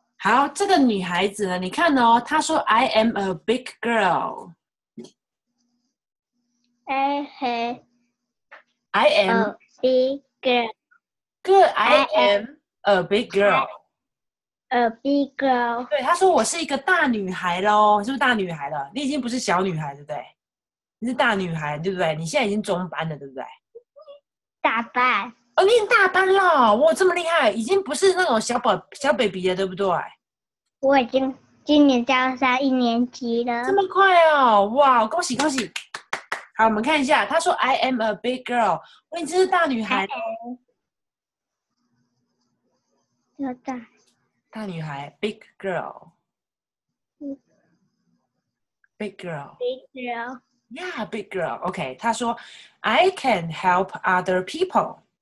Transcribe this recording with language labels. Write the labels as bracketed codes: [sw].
[zh] 好，这个女孩子呢，你看哦。她说：“ [en] I am a big girl。 I have I am a big girl. good. I I am am a big girl。 a big girl. [zh] 对，她说我是一个大女孩喽，是不是大女孩了？你已经不是小女孩，对不对？你是大女孩，对不对？你现在已经中班了，对不对？” 打扮。哦，你已经大班了，哇，这么厉害，已经不是那种小 baby 了，对不对？我已经今年就要上1年级这了。么快哦，哇，恭喜恭喜！好，我们看一下，他说 [en] "I am a big girl"， [zh] 我已经是大女孩喽，要大。大女孩， [en] big girl，big girl。 Yeah，big girl. OK， [zh] 他说， [en] I can help other people.